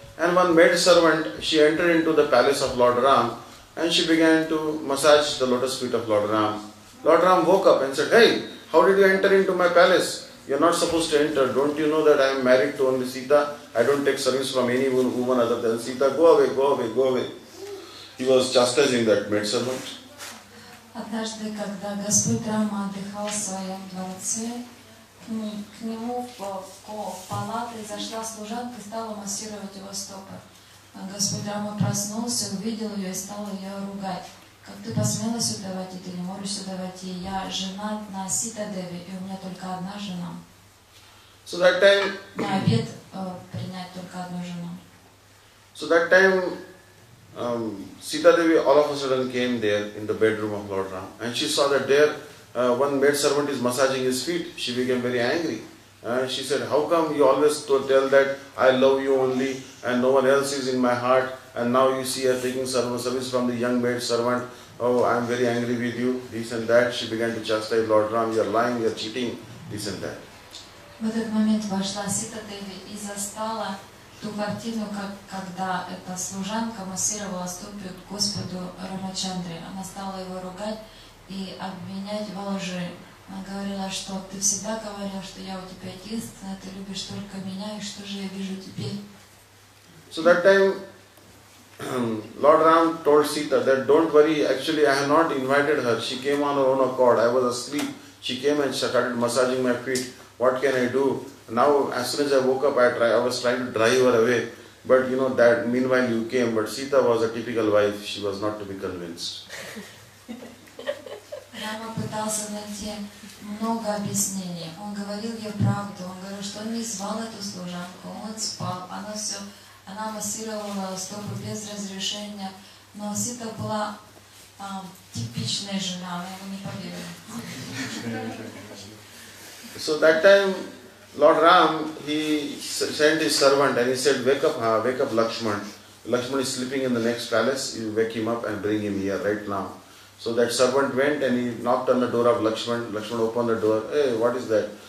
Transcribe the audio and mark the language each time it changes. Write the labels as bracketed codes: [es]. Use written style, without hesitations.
[en] And one maid servant, she entered into the palace of Lord Ram and she began to massage the lotus feet of Lord Ram. Lord Ram woke up and said, hey, how did you enter into my palace? You're not supposed to enter. Don't you know that I am married to only Sita? I don't take service from any woman other than Sita. Go away, go away, go away. He was chastising that maid servant. [ru] Однажды, когда Господь Рама отдыхал в своем дворце, к нему в палаты зашла служанка и стала массировать его стопы. Господь Рама проснулся, увидел ее и стал ее ругать. Как ты посмела сюда войти, ты не можешь сюда войти. Я женат на Ситадеве, и у меня только одна жена. [en] So that time, [ru] на обед принять только одну жену. [en] So that time Ситадеви all of a sudden came there in the bedroom of Lord Ram. And she saw that there one maid servant is massaging his feet. She became very angry. She said, how come you always tell that I love you only and no one else is in my heart and now you see her taking service from the young maid servant. Oh, I am very angry with you. This and that. She began to chastise Lord Ram. You are lying, you are cheating. This and that. [ru] В этот момент вошла Сита Деви и застала ту картину, когда эта служанка массировала стопы Господу Рамачандре. Она стала его ругать и обвинять во лжи. Она говорила, что ты всегда говорила, что я у тебя единственная, ты любишь только меня, и что же я вижу теперь? [en] So that time Lord Ram told Sita that don't worry, actually I have not invited her. She came on her own accord. I was asleep. She came and started massaging my feet. What can I do? Now, as soon as I woke up, I was trying to drive her away. But you know that meanwhile you came, but Sita was a typical wife, she was not to be convinced. [ru] Рама пытался найти много объяснений. Он говорил ей правду. Он говорил, что он не звал эту служанку. Он спал. Она все, она массировала стопы без разрешения. Но Сита была типичная жена. Я ему не поверил. [en] So that time Lord Ram, he sent his servant and he said, wake up Lakshman. Lakshman is sleeping in the next palace. You wake him up and bring him here right now. So that servant went and he knocked on the door of Lakshman. Lakshman opened the door. Hey, what is that?